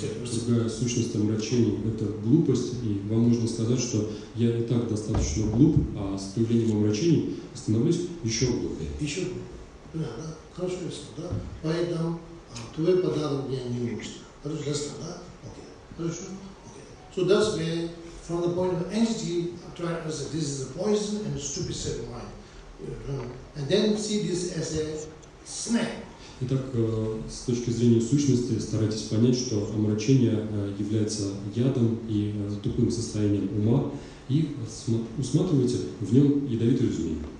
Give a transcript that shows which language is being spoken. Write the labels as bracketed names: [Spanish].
[Russian] Другая сущность омрачения – это глупость, и вам нужно сказать, что я и так достаточно глуп, а с появлением омрачений становлюсь еще глупее. Еще глупее. Да, хорошо, ясно, да? Поэтому твой подарок мне не нужен. Хорошо, ясно, да? Окей. Хорошо? Окей. [English] So that's where, from the point of entity, I'm trying to say this is a poison and a stupid set of mind. And then see this as a snake. [Russian] Итак, с точки зрения сущности, старайтесь понять, что омрачение является ядом и тупым состоянием ума, и усматривайте в нем ядовитую змею.